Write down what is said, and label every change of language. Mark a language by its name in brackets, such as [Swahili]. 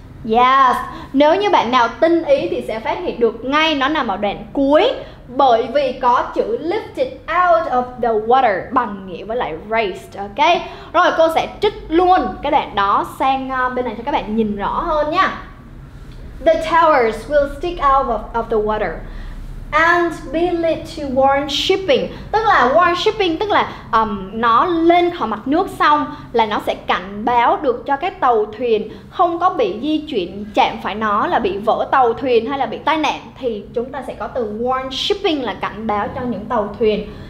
[Vietnamese] Yes, nếu như bạn nào tinh ý thì sẽ phát hiện được ngay nó nằm ở đoạn cuối, bởi vì có chữ [English] lifted out of the water [Vietnamese] bằng nghĩa với lại raised, ok? Rồi cô sẽ trích luôn cái đoạn đó sang bên này cho các bạn nhìn rõ hơn nha. [English] The towers will stick out of the water and be lit to warn shipping. [Vietnamese] Tức là warn shipping tức là nó lên khỏi mặt nước xong là nó sẽ cảnh báo được cho các tàu thuyền không có bị di chuyển chạm phải nó là bị vỡ tàu thuyền hay là bị tai nạn, thì chúng ta sẽ có từ warn shipping là cảnh báo cho những tàu thuyền.